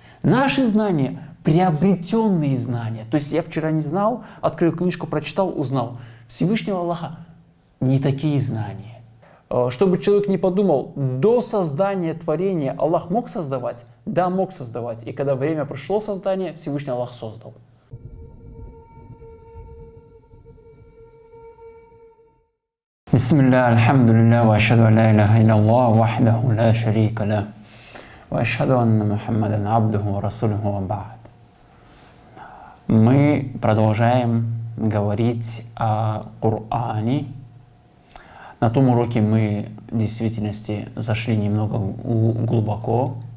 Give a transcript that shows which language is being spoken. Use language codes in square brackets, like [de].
[ru] Наши знания – приобретенные знания. То есть я вчера не знал, открыл книжку, прочитал, узнал. Всевышнего Аллаха не такие знания. Чтобы человек не подумал, до создания творения Аллах мог создавать? Да, мог создавать. И когда время прошло создание, Всевышний Аллах создал. [ar] بسم الله الحمد لله وأشهد أن لا إله إلا الله وحده لا شريك له وأشهد أن محمدا عبده ورسوله وبعد. [ru] Мы продолжаем говорить о Коране. На том уроке мы в действительности зашли немного глубоко.